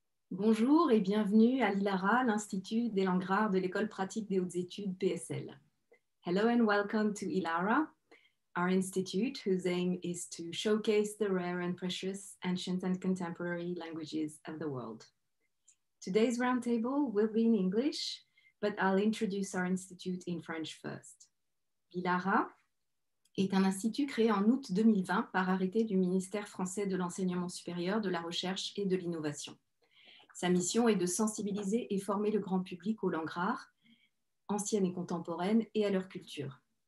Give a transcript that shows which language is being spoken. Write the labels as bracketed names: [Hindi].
[French] Bonjour et bienvenue à l'ILARA, l'Institut des langues rares de l'École pratique des hautes études PSL. [English] Hello and welcome to ILARA, our institute whose aim is to showcase the rare and precious ancient and contemporary languages of the world. Today's roundtable will be in English, but I'll introduce our institute in French first. [French] ILARA est un institut créé en août 2020 par arrêté du ministère français de l'enseignement supérieur, de la recherche et de l'innovation. Sa mission est de sensibiliser et former le grand public aux langues rares, anciennes et contemporaines, et à leur culture.